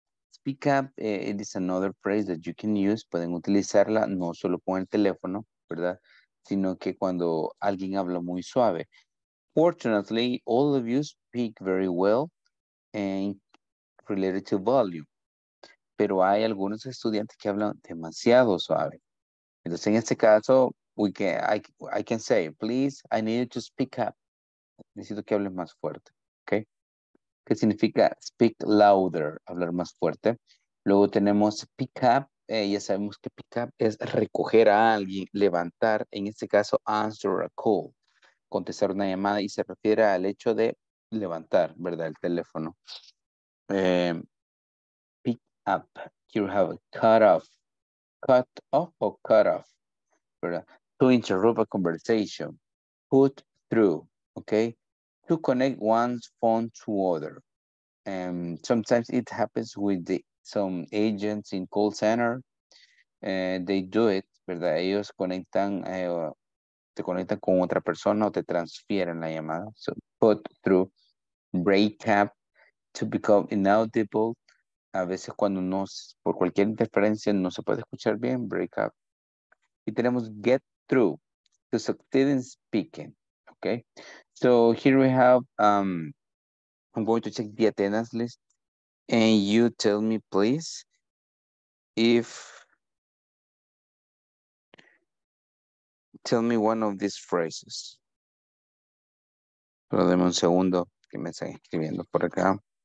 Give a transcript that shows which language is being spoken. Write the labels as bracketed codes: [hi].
[en] Speak up, it is another phrase that you can use. [es] Pueden utilizarla no solo con el teléfono, ¿verdad? Sino que cuando alguien habla muy suave. [en] Fortunately, all of you speak very well and related to volume. [es] Pero hay algunos estudiantes que hablan demasiado suave. Entonces, en este caso, [en] I can say, please, I need to speak up. [es] Necesito que hables más fuerte, ¿ok? ¿Qué significa [en] speak louder? [es] Hablar más fuerte. Luego tenemos pick up. Ya sabemos que pick up es recoger a alguien, levantar. En este caso, [en] answer a call. [es] Contestar una llamada y se refiere al hecho de levantar, ¿verdad? El teléfono. Pick up. [en] You have cut off. Cut off o cut off. ¿Verdad? To interrupt a conversation. Put through. ¿Ok? To connect one's phone to other. Sometimes it happens with some agents in call center. They do it, ¿verdad? [es] Ellos conectan, te conectan con otra persona o te transfieren la llamada. [en] So put through, break up, to become inaudible. [es] A veces cuando no, por cualquier interferencia no se puede escuchar bien, break up. Y tenemos [en] get through, to succeed in speaking. Okay, so here we have, I'm going to check the attendance list and you tell me please if, tell me one of these phrases. [es] Pero deme un segundo que me están escribiendo por acá.